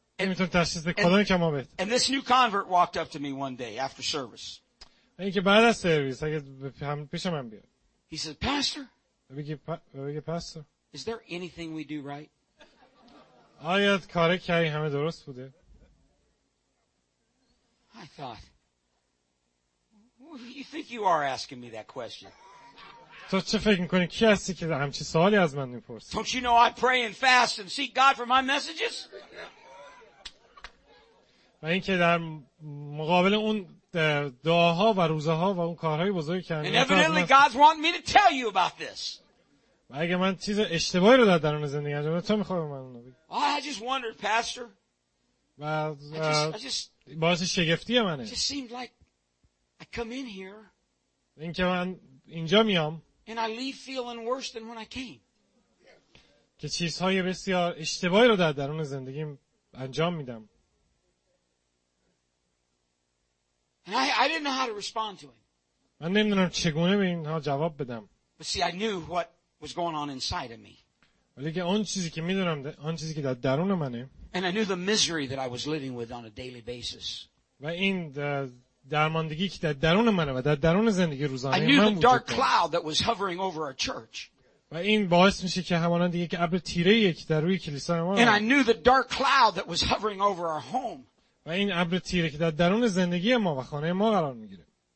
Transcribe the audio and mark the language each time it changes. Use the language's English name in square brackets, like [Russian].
[English] And this new convert walked up to me one day after service. [Persian] اینکه بعد از سرویس پیش من بیاد. [English] He said, "Pastor." [Persian] میگه پاستور. [English] Is there anything we do right? [Persian] آیا کاری که همه درست بوده؟ [English] I thought, "You think you are asking me that question?" [Persian] تو چه فکر می‌کنی کی هستی که همچین سوالی از من می‌پرسی؟ [English] Don't you know I pray and fast and seek God for my messages? [Persian] و اینکه در مقابل اون دعاها و روزه ها و اون کارهای بزرگی که انجام دادم. [English] Evidently God want me to tell you about this. [Persian] و اگه من چیز اشتباهی رو در درون زندگی انجام دادم تو میخوای من اونو بگی. [English] I just wondered, pastor. [Persian] باعث شگفتی منه. [English] It just seemed like I come in here. [Persian] اینکه من اینجا میام. [English] And I leave feeling worse than when I came. [Persian] که چیزهای بسیار اشتباهی رو در درون زندگیم انجام میدم. [English] And I didn't know how to respond to him. [Persian] من نمیدونم چگونه به اینها جواب بدم. [English] But see, I knew what was going on inside of me. [Persian] ولی که اون چیزی که میدونم اون چیزی که در درون منه. [English] And I knew the misery that I was living with on a daily basis. [Persian] و این درماندگی که در درون منه و در درون زندگی روزانه من بود. [English] I knew the dark cloud that was hovering over our church. [Persian] و این باعث میشه که همانند یک ابر تیره ای که در روی کلیسا ما. [English] And I knew the dark cloud that was hovering over our home. [Persian] و این ابر تیره که در درون زندگی ما و خانه ما قرار میگیره.